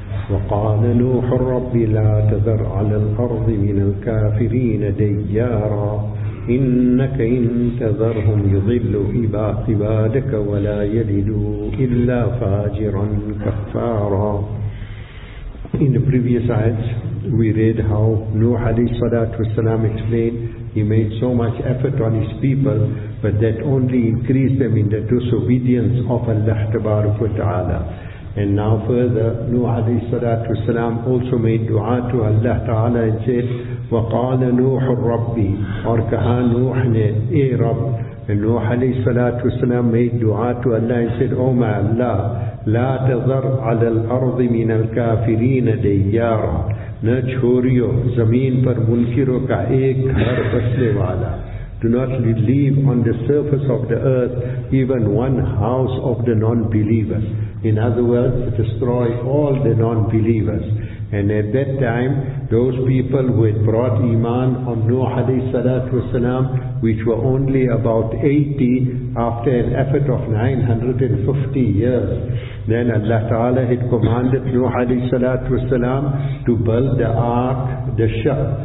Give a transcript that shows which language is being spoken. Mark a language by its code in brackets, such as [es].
[ar] وقال نوح رب لا تذر على الأرض من الكافرين ديارا إنك إن تذرهم يضلوا عبادك ولا يلدوا إلا فاجرا كفارا. [en] In the previous ayats, we read how Nuh alayhi salatu wasalam explained he made so much effort on his people, but that only increased them in the disobedience of Allah tabaraka wa ta'ala. And now further, Nuh alayhi salatu wasalam also made dua to Allah ta'ala and said, [ar] وَقَالَ نُوحُ الرَّبِّ [en] or كَهَا نُوحْنِ اَيْ رَبْ. And Nuh alayhi salatu wasalam made dua to Allah and said, O my Allah, [ar] لا تذر على الأرض من الكافرين ديارا [ur] نہ چھوڑیو زمین پر منکروں کا ایک گھر بسنے والا. [en] Do not leave on the surface of the earth even one house of the non-believers. In other words, destroy all the non-believers. And at that time, those people who had brought Iman on Nuh alayhi salatu wasalam, which were only about 80 after an effort of 950 years, then Allah Ta'ala had commanded Nuh alayhi salatu wasalam to build the ark, the ship.